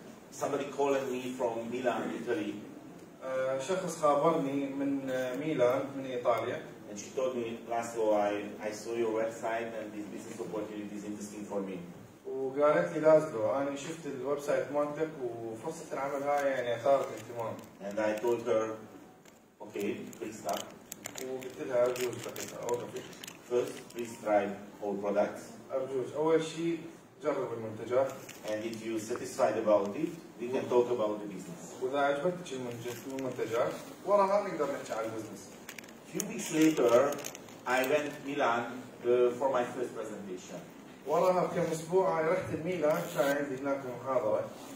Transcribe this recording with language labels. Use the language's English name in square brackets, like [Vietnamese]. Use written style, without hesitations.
[English] Somebody called me from Milan, Italy. [Arabic] شخص خابرني من ميلان من إيطاليا. [English] And she told me, Laszlo, I saw your website and this business opportunity is interesting for me. [Arabic] وقالت لي لازلو أنا شفت الويب سايت مالتك وفرصة العمل هاي يعني أثارت اهتمام. [English] And I told her, okay, please start. [Arabic] وقلت لها أرجوك دقيقة أوقفك. [English] First, please try all products. [Arabic] أرجوك أول شيء جرب المنتجات. [English] And if you're satisfied about it, we can talk about the business. [Arabic] وإذا عجبتك المنتجات وراها نقدر نحكي على البزنس. [English] Few weeks later, I went to Milan for my first presentation. [Arabic] وراها بكم أسبوع أنا رحت ميلان عشان عندي هناك محاضرة.